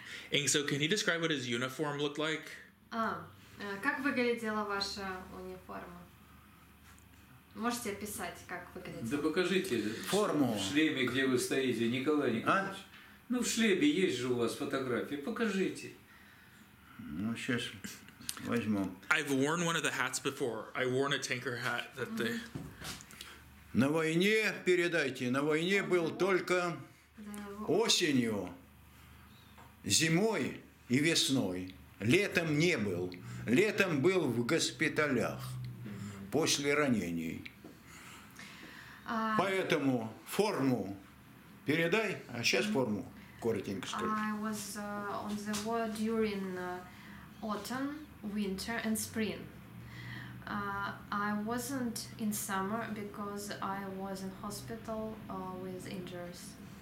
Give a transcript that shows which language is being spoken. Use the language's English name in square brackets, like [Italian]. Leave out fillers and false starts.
[English] And so can you describe what his uniform looked like? [Russian] Как выглядела ваша униформа? Можете описать, как выглядела? Да покажите форму. В шлеме, где вы стоите, Николай Николаевич. А? Ну, в шлеме есть же у вас фотографии. Покажите. Ну, сейчас возьму. [English] I've worn one of the hats before. I worn a tanker hat that they... [Russian] На войне, передайте, на войне был только осенью, зимой и весной. Летом не был. Летом был в госпиталях после ранений. Поэтому форму передай, а сейчас форму коротенько скажу. [English] I was on the war during autumn, winter and spring. I wasn't in summer because I was in hospital with injuries.